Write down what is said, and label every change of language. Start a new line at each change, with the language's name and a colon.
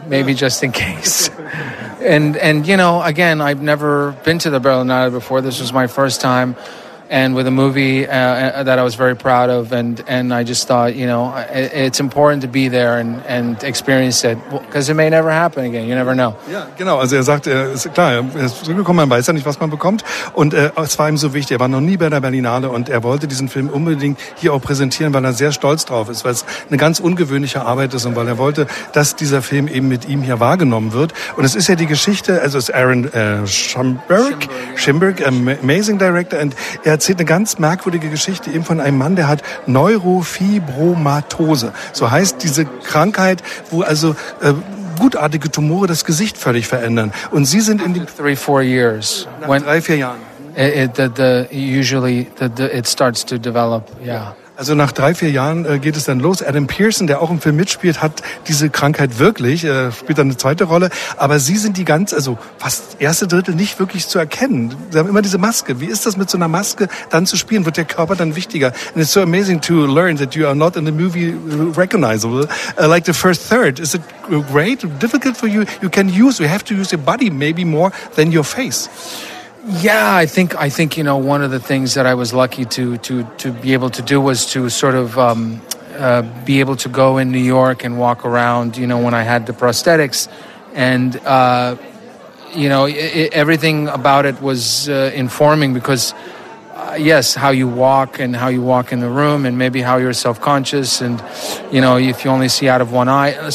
English: Maybe just in case. And you know, again, I've never been to the Berlinale before. This was my first time. And with a movie that I was very proud of, and I just thought, you know, it's important to be there and experience it, because it may never happen again. You never know.
German: Ja, genau. Also er sagt, er ist zurückgekommen, man weiß ja nicht, was man bekommt. Und es war ihm so wichtig, er war noch nie bei der Berlinale und er wollte diesen Film unbedingt hier auch präsentieren, weil er sehr stolz drauf ist, weil es eine ganz ungewöhnliche Arbeit ist und weil er wollte, dass dieser Film eben mit ihm hier wahrgenommen wird. Und es ist ja die Geschichte, also es ist Aaron Schomburg,
English: amazing director,
German: and er erzählt eine ganz merkwürdige Geschichte eben von einem Mann, der hat Neurofibromatose. So heißt diese Krankheit, wo also gutartige Tumore das Gesicht völlig verändern. Und Sie sind in die... Nach drei, vier Jahren.
English: It starts to develop, yeah.
German: Also nach drei, vier Jahren geht es dann los. Adam Pearson, der auch im Film mitspielt, hat diese Krankheit wirklich, spielt dann eine zweite Rolle. Aber Sie sind die ganz, also fast erste Drittel nicht wirklich zu erkennen. Sie haben immer diese Maske. Wie ist das mit so einer Maske dann zu spielen? Wird der Körper dann wichtiger?
English: And it's so amazing to learn that you are not in the movie recognizable. Like the first third. Is it great? Difficult for you? You have to use your body maybe more than your face. Yeah, I think you know, one of the things that I was lucky to be able to do was to sort of be able to go in New York and walk around, you know, when I had the prosthetics, and you know, everything about it was informing, because yes, how you walk and how you walk in the room, and maybe how you're self-conscious, and you know, if you only see out of one eye.